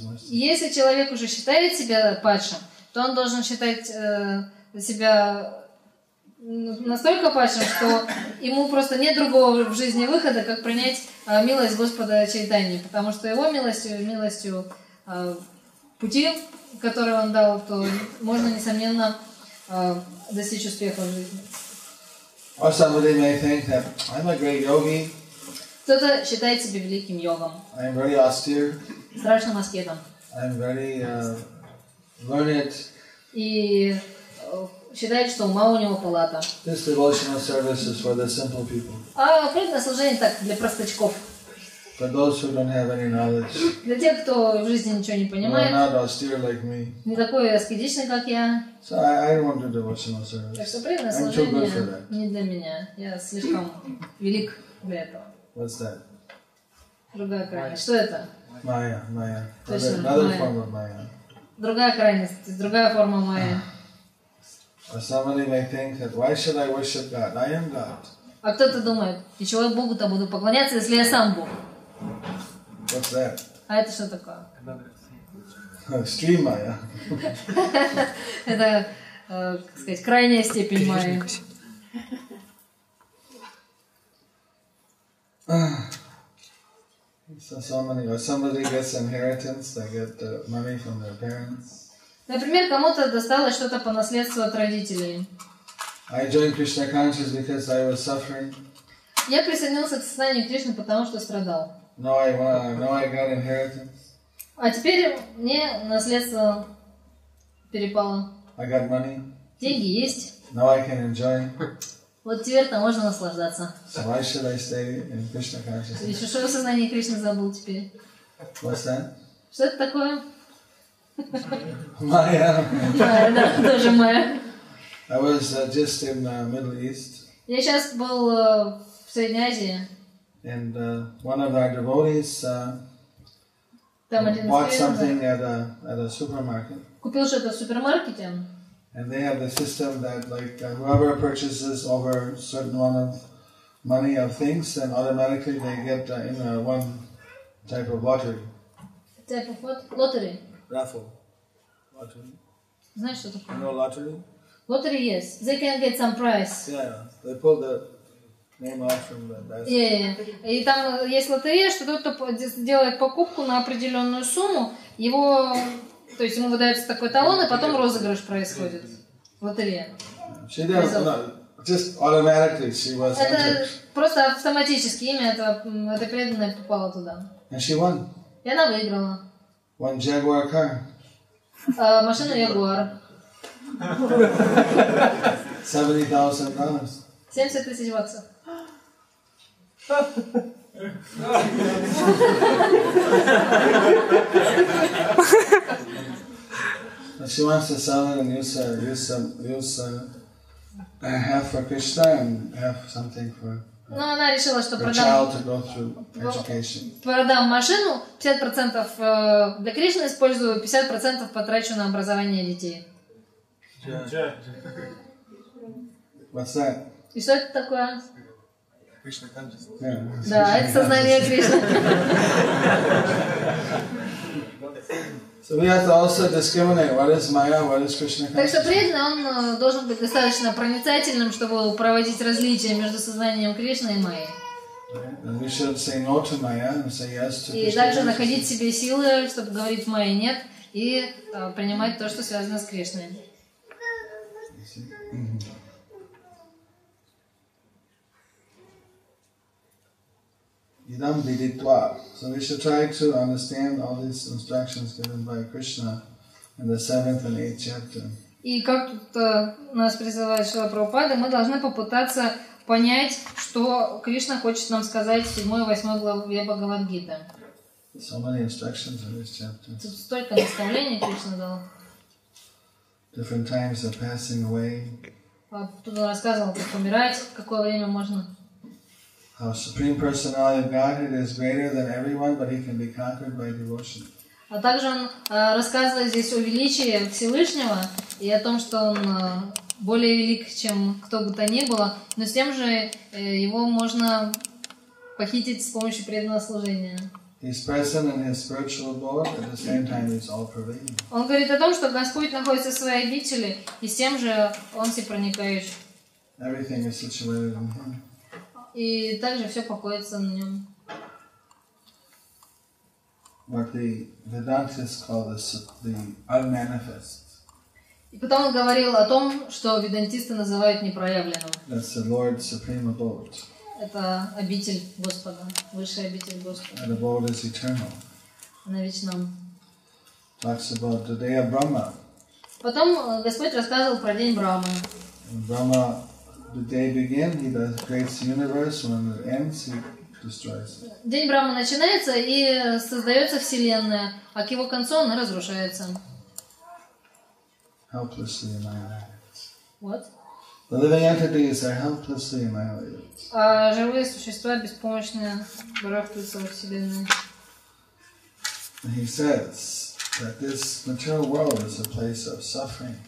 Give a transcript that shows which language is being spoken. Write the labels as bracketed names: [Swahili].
[Russian] Если человек уже считает себя падшим, то он должен считать себя настолько падшим, что ему просто нет другого в жизни выхода, как принять милость Господа Чайтаньи, потому что его милостью пути, который он дал, то можно, несомненно, достичь успеха в жизни. [English] Or somebody may think that I'm a great yogi. [Russian] Кто-то считает себя великим йогом. [English] I'm very austere. [Russian] Страшным аскетом. [English] I'm very learned. [Russian] И считает, что ума у него палата. [English] This devotional service is for the simple people. [Russian] А преданное служение так, для простачков. [English] For those who don't have any knowledge. [Russian] Для тех, кто в жизни ничего не понимает. [English] Who are not austere like me. [Russian] Не такой аскетичный, как я. [English] So I don't want to do devotional service. [Russian] Так что преданное служение не для меня. Я слишком велик для этого. [English] What's that? [Russian] Другая крайность. Что это? [English] Майя, майя. Another form of майя. [Russian] Другая крайность, другая форма майя. [English] Or somebody may think that why should I worship God? I am God. [Russian] А кто-то думает, для чего я Богу-то буду поклоняться, если я сам Бог? [English] What's that? [Russian] А это что такое? [English] Extreme майя. [Russian] Это, как сказать, крайняя степень майя. [English] Somebody gets inheritance, they get money from their parents. [Russian] Например, кому-то досталось что-то по наследству от родителей. [English] I joined Krishna consciousness because I was suffering. [Russian] Я присоединился к сознанию Кришны, потому что страдал. [English] Now I got inheritance. [Russian] А теперь мне наследство перепало. [English] I got money. [Russian] Деньги есть. [English] Now I can enjoy. [Russian] Вот теперь-то можно наслаждаться. [English] So why should I stay in Krishna consciousness? [Russian] Еще что в сознании Кришны забыл теперь? [English] What's that? [Russian] Что это такое? [English] Майя. [Russian] Да, тоже майя. [English] I was just in the Middle East. [Russian] Я сейчас был в Средней Азии. [English] And one of our devotees bought something at a supermarket. [Russian] Купил что-то в супермаркете. [English] And they have the system that, like, whoever purchases over certain amount of money of things, then automatically they get in one type of lottery. Type of what? Lottery. Raffle. Lottery. [Russian] Знаешь, что такое? [English] You know lottery? Lottery, yes. They can get some prize. Yeah. They pull the name off from the basket. Yeah. [Russian] И там есть лотерея, что тот, кто делает покупку на определенную сумму, его... То есть ему выдается такой талон, и потом розыгрыш происходит. Лотерея. [English] She did, no, just automatically she was entered. [Russian] Это просто автоматически имя это преданное попало туда. [English] And she won. [Russian] И она выиграла. [English] One Jaguar car. [Russian] Машина Jaguar. [English] $70,000. [Russian] 70 тысяч баксов. [English] She wants to sell it and use half for Krishna and half something for her child to go through education. [Russian] Продам машину, 50% для Кришны использую, 50% потрачу на образование детей. [English] What's that? [Russian] И что это такое? [English] Кришна [Russian] консциенс. Да, это сознание Кришны. [English] So we have to also discriminate what is Maya, what is Krishna consciousness. [Russian] Так что преданный он должен быть достаточно проницательным, чтобы проводить различия между сознанием Кришны и Майей. [English] And we should say no to Maya and say yes to Krishna. [Russian] И также находить себе силы, чтобы говорить Майе нет и принимать то, что связано с Кришной. [Sanskrit] Idam viditva. [English] So we should try to understand all these instructions given by Krishna in the 7th and 8th chapter. [Russian] И как тут нас призывает Шрила Прабхупада, мы должны попытаться понять, что Кришна хочет нам сказать в 7-й и 8-й главе Бхагавад-гиты. [English] So many instructions in this chapter. [Russian] Тут столько наставлений Кришна дал. [English] Different times of passing away. [Russian] Тут он рассказывал, как умирать, какое время можно. [English] How Supreme Personality of Godhead is greater than everyone, but he can be conquered by devotion. [Russian] А также он рассказывает здесь о величии Всевышнего и о том, что он более велик, чем кто бы то ни было, но с тем же его можно похитить с помощью преданного служения. [English] He's present in his spiritual abode, but at the same time he's all-pervading. [Russian] Он говорит о том, что Господь находится в своей обители, и с тем же он всепроникающий. [English] Everything is situated on him. [Russian] И также все покоится на нем. [English] What the Vedantists call the unmanifest. [Russian] И потом он говорил о том, что ведантисты называют непроявленным. [English] That's the Lord's supreme abode. [Russian] Это обитель Господа, высшая обитель Господа. [English] The abode is eternal. [Russian] На вечном. [English] Talks about the day of Brahma. [Russian] Потом Господь рассказывал про день Брахмы. [English] Brahma, the day begins, he creates the universe. When it ends, he destroys. [Russian] День Брахмы начинается и создается вселенная, а к его концу она разрушается. [English] Helplessly annihilated. What? The living entities are helplessly annihilated. [Russian] А живые существа беспомощные барахтаются во вселенной. [English] He says that this material world is a place of suffering.